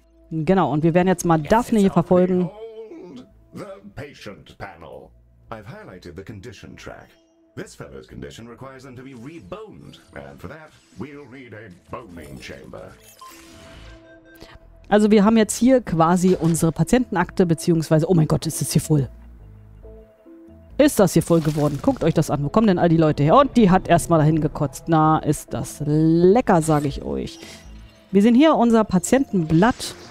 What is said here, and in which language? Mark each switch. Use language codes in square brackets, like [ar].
[de] Genau, und wir werden jetzt mal Daphne hier verfolgen. [en] The patient panel. I've highlighted the condition track. This fellow's condition requires them to be reboned. And for that, we'll need a boning chamber. [de] Also wir haben jetzt hier quasi unsere Patientenakte, beziehungsweise, oh mein Gott, ist das hier voll. Ist das hier voll geworden? Guckt euch das an. Wo kommen denn all die Leute her? Und die hat erstmal dahin gekotzt. Na, ist das lecker, sage ich euch. Wir sehen hier unser Patientenblatt.